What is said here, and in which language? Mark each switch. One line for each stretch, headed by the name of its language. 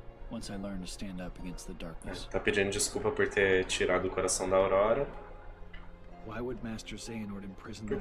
English: Once I learn to stand up against the darkness.
Portuguese: Tá pedindo desculpa por ter tirado o coração da Aurora.
English: Why would Master Xehanort imprison the light?